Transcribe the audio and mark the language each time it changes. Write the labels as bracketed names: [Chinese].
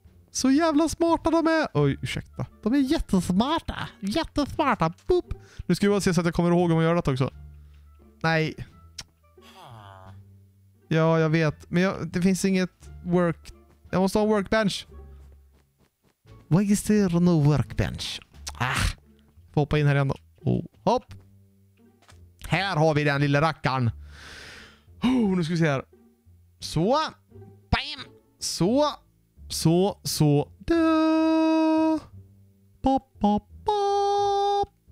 [Swedish] Så jävla smarta de är! Oj, ursäkta. De är jättesmarta! Jättesmarta! Boop! Nu ska vi bara se så att jag kommer ihåg om jag gör detta också. Nej. Ja, jag vet. Men jag, det finns inget work... Jag måste ha en workbench. [English] Why is there no workbench? [Swedish] Ah! Får hoppa in här igen då. Oh, hopp! Här har vi den lilla rackaren. Oh, nu ska vi se här. Så! Bam! Så! Så, då! pop, pop, pop.